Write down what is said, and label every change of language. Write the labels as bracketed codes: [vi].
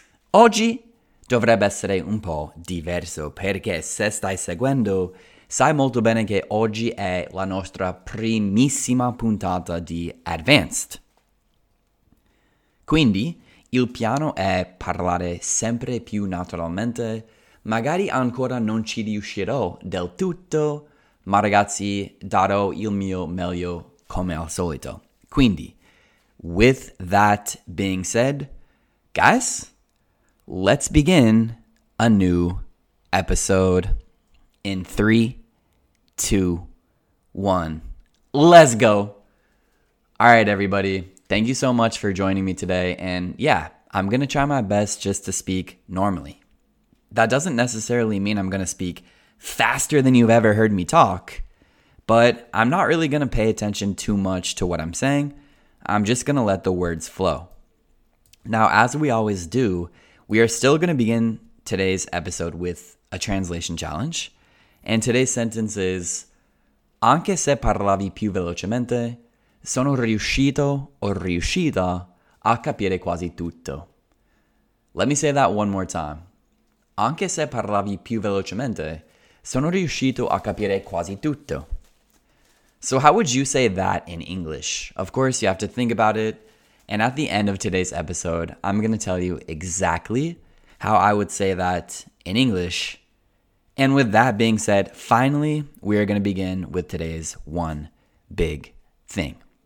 [it] Oggi dovrebbe essere un po' diverso perché se stai seguendo sai molto bene che oggi è la nostra primissima puntata di Advanced. Quindi il piano è parlare sempre più naturalmente. Magari ancora non ci riuscirò del tutto, ma ragazzi, darò il mio meglio come al solito. [en] Quindi, with that being said, guys, let's begin a new episode in 3, 2, 1. Let's go. All right, everybody. Thank you so much for joining me today. And yeah, I'm going to try my best just to speak normally. That doesn't necessarily mean I'm going to speak faster than you've ever heard me talk, but I'm not really going to pay attention too much to what I'm saying. I'm just going to let the words flow. Now, as we always do, we are still going to begin today's episode with a translation challenge. And today's sentence is, [it] anche se parlavi più velocemente, sono riuscito o riuscita a capire quasi tutto. [en] Let me say that one more time. [it] Anche se parlavi più velocemente, sono riuscito a capire quasi tutto. [en] So how would you say that in English? Of course, you have to think about it. And at the end of today's episode, I'm going to tell you exactly how I would say that in English. And with that being said, finally, we are going to begin with today's one big thing.